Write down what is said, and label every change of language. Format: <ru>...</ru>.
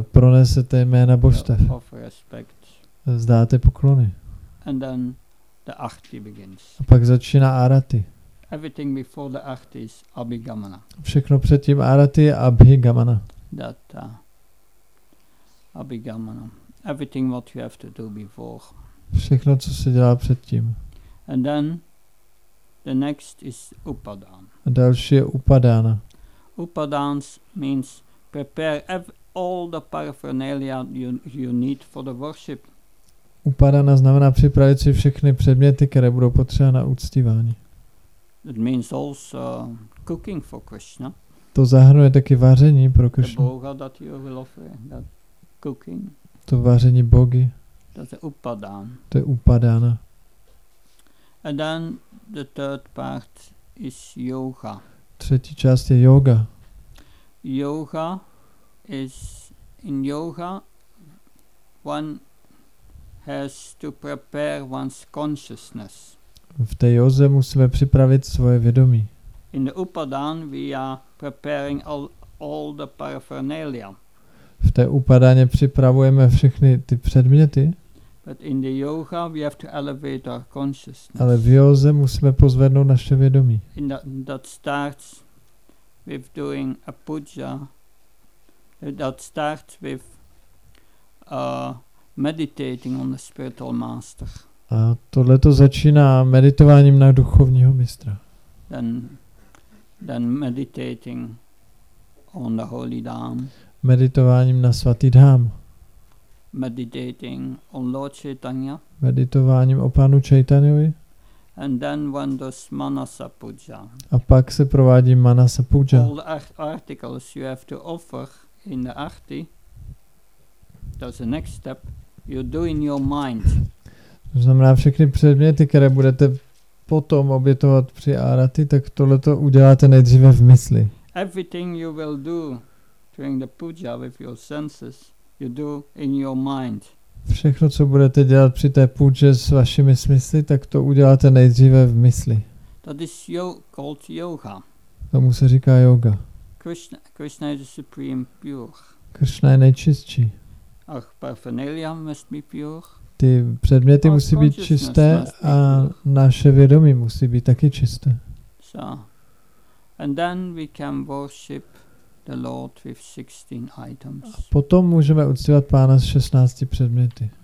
<cs>Pronesete jména božstev.</cs> <en>Of respect.</en> <cs>Zdáte poklony.</cs> <en>And then the arti begins.</en> <cs>A pak začíná arati.</cs> <en>Everything before the arti is abhigamana.</en> <cs>Všechno předtím arati je abhigamana.</cs> <en>That abhigamana. Everything what you have to do before.</en> <cs>Všechno, co se dělá předtím.</cs> <en>And then the next is upadan.</en> <cs>A další je upadana.</cs> <en>Upadans means prepare all the paraphernalia you need for the worship.</en> <cs>Upadana znamená připravit si všechny předměty, které budou potřeba na uctívání.</cs> <en>It means also cooking for Krishna.</en> <cs>To zahrnuje taky vaření pro Krishna.</cs> <en>The bhoga that you will offer, that cooking.</en> <cs>To vaření bogy.</cs> <en>That's upadan.</en> <cs>To je upadana.</cs> <en>And then the third part is yoga.</en> <cs>Třetí část je yoga.</cs> <en>Yoga is in yoga one has to prepare one's consciousness.</en> <cs>V té józe musíme připravit svoje vědomí.</cs> <en>In the upadan we are preparing all the paraphernalia.</en> <cs>V té upadaně připravujeme všechny ty předměty.</cs> <en>But in the yoga we have to elevate our consciousness.</en> <cs>Ale v józe musíme pozvednout naše vědomí.</cs> <en>In that starts with doing a puja. That starts with meditating on the spiritual master.</en> <cs>A tohle to začíná meditováním na duchovního mistra. Then meditating on the holy dham. Meditováním na svatý dham.</cs> <en>Meditating on Lord Chaitanya.</en> <cs>Meditováním o panu Chaitanyovi.</cs> <en>And then one does manasa puja.</en> <cs>A pak se provádí manasa puja.</cs> <en>All the articles you have to offer in the arti. That's the next step. You do in your mind.</en> <cs>To znamená všechny předměty, které budete potom obětovat při arati, tak tohle to uděláte nejdříve v mysli.</cs> <en>Everything you will do during the puja with your senses, you do in your mind.</en> <cs>Všechno, co budete dělat při té půdže s vašimi smysly, tak to uděláte nejdříve v mysli.</cs> <en>That is called yoga.</en> <cs>Tomu se říká yoga.</cs> <en>Krishna is the supreme pure.</en> <cs>Krishna je nejčistší.</cs> <en>Ach, paraphernalia must be pure.</en> <cs>Ty předměty musí být čisté a naše vědomí musí být taky čisté.</cs> <en>So, and then we can worship the Lord with 16 items.</en> <cs>A potom můžeme uctívat Pána s 16 předměty.</cs>